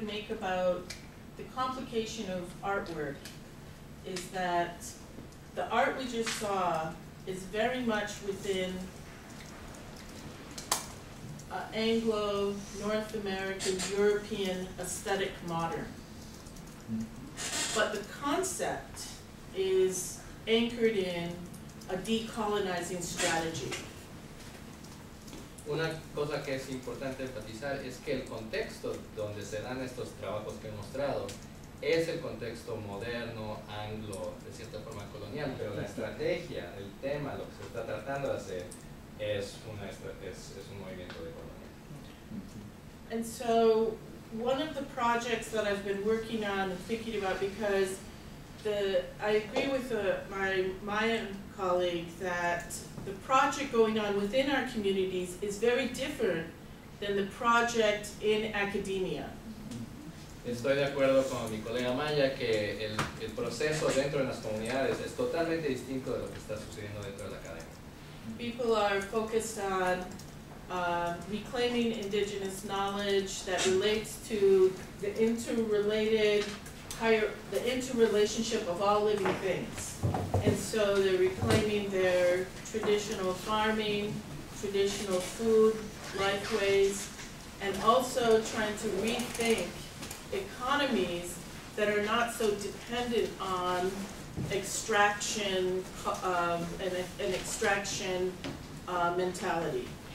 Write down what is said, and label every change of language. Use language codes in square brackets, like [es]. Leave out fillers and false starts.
[en] About the complication of artwork is that the art we just saw is very much within an Anglo, North American, European aesthetic modern. But the concept is anchored in a decolonizing strategy. [es] Una cosa que es importante enfatizar es que el contexto donde se dan estos trabajos que he mostrado es el contexto moderno, anglo, de cierta forma colonial, pero la estrategia, el tema, lo que se está tratando de hacer es un movimiento de colonia. [en] Okay. And so one of the projects that I've been working on and thinking about, because I agree with my Maya colleague that the project going on within our communities is very different than the project in academia. [es] Estoy de acuerdo con mi colega Maya que el proceso dentro de las comunidades es totalmente distinto de lo que está sucediendo dentro de la academia. [en] People are focused on reclaiming indigenous knowledge that relates to the interrelated the interrelationship of all living things. And so they're reclaiming their traditional farming, traditional food, life ways, and also trying to rethink economies that are not so dependent on extraction and extraction mentality.